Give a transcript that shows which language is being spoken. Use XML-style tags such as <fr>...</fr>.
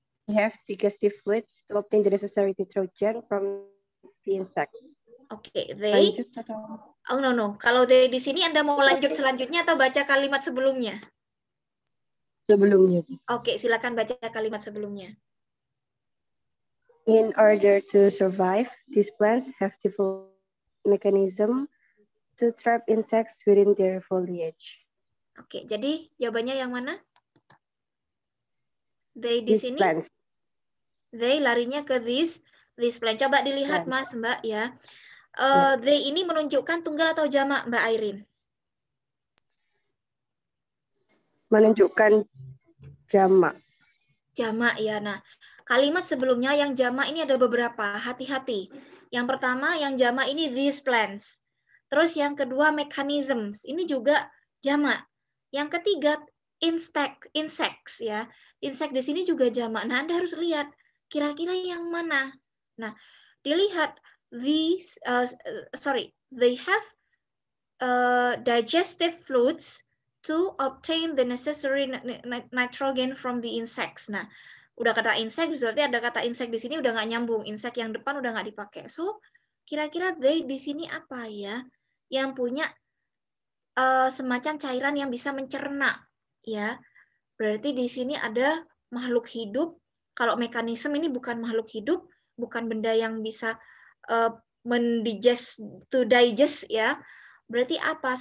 <en>We have digestive fluids to obtain the necessary nitrogen from the insects. Oke, okay, they. Oh no.</en> <id>Kalau they di sini Anda mau lanjut selanjutnya atau baca kalimat sebelumnya? Sebelumnya. Oke, okay, silakan baca kalimat sebelumnya.</id> <en>In order to survive, these plants have developed mechanism to trap insects within their foliage.</en> <id>Oke, okay, jadi jawabannya yang mana? They di these sini. Plants. They larinya ke this plant. Coba dilihat plants. Mas, Mbak ya. Yeah. They ini menunjukkan tunggal atau jamak, Mbak Irene? Menunjukkan jamak. Jamak ya. Nah, kalimat sebelumnya yang jamak ini ada beberapa, hati-hati. Yang pertama yang jamak ini these plants. Terus yang kedua mechanisms, ini juga jamak. Yang ketiga insects ya. Insect di sini juga jamak. Nah, Anda harus lihat kira-kira yang mana. Nah, dilihat</id> <en>they have digestive fluids to obtain the necessary nitrogen from the insects.</en> <id>Nah, udah kata insect, berarti ada kata insect di sini udah nggak nyambung. Insect yang depan udah nggak dipakai. So, kira-kira they di sini apa ya? Yang punya semacam cairan yang bisa mencerna, ya. Berarti di sini ada makhluk hidup. Kalau mekanisme ini bukan makhluk hidup, bukan benda yang bisa digest, ya. Berarti apa?</id>